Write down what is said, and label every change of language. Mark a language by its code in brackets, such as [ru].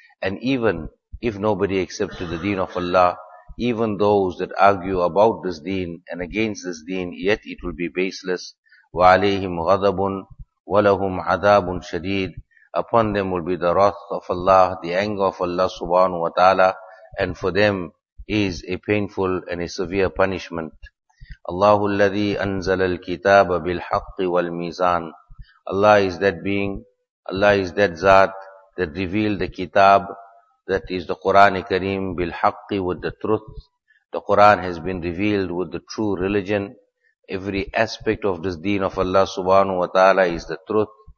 [en] And even if nobody accepted the deen of Allah, even those that argue about this deen and against this deen, yet it will be baseless. [ar] وَعَلَيْهِمْ غَضَبٌ وَلَهُمْ عَذَابٌ شَدِيدٌ. [en] Upon them will be the wrath of Allah, the anger of Allah subhanahu wa ta'ala, and for them is a painful and a severe punishment. [ar] Allah الذي أنزل الكتاب بالحق والميزان. [en] Allah is that being, Allah is that Zat that revealed the Kitab, that is the Qur'an Kareem, بالحق, with the truth. The Qur'an has been revealed with the true religion. Every aspect of this deen of Allah subhanahu wa ta'ala is the truth.